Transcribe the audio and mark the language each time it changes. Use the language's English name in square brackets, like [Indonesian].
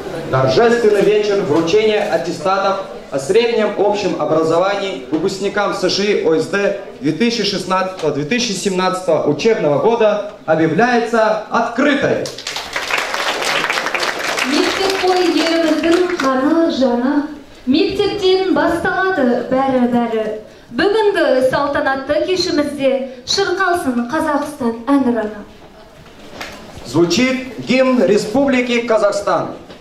[Russian] Торжественный вечер вручения аттестатов о среднем общем образовании выпускникам США ОСД 2016-2017 учебного года объявляется открытой. [Kazakh] Мектепой еліміздің қаны жаны, мектептен басталады бәрі-бәрі. Бүгінгі салтанатты кешімізде шырқалсын Қазақстан әнұраны. [Russian] Звучит гимн Республики Казахстан.